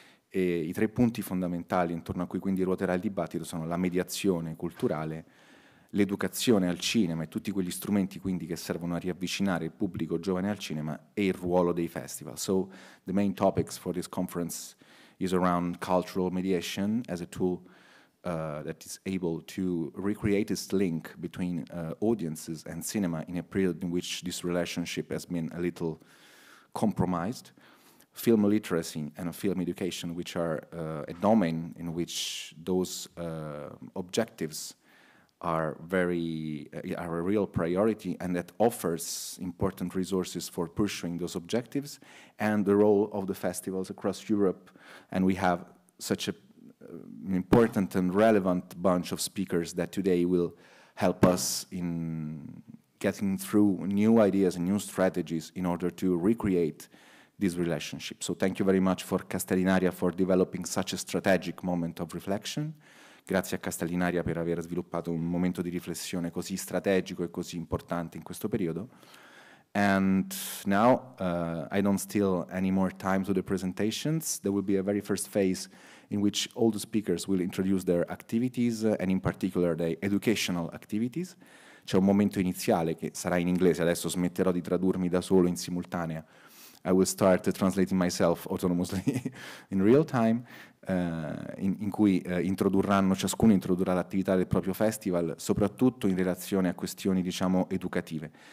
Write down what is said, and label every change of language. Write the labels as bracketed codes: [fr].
[it] E i tre punti fondamentali intorno a cui quindi ruoterà il dibattito sono la mediazione culturale, l'educazione al cinema e tutti quegli strumenti quindi che servono a riavvicinare il pubblico giovane al cinema e il ruolo dei festival. [en] So the main topics for this conference is around cultural mediation as a tool that is able to recreate this link between audiences and cinema in a period in which this relationship has been a little compromised. Film literacy and film education, which are a domain in which those objectives are are a real priority and that offers important resources for pursuing those objectives, and the role of the festivals across Europe. And we have such an important and relevant bunch of speakers that today will help us in getting through new ideas and new strategies in order to recreate this relationship. So thank you very much for Castellinaria for developing such a strategic moment of reflection. [it] Grazie a Castellinaria per aver sviluppato un momento di riflessione così strategico e così importante in questo periodo. [en] And now I don't steal any more time to the presentations. There will be a very first phase in which all the speakers will introduce their activities and in particular their educational activities. [it] c'è un momento iniziale che sarà in inglese, adesso smetterò di tradurmi da solo in simultanea. [en] I will start translating myself autonomously in real time, [it] in cui introdurranno, ciascuno introdurrà l'attività del proprio festival, soprattutto in relazione a questioni, diciamo, educative.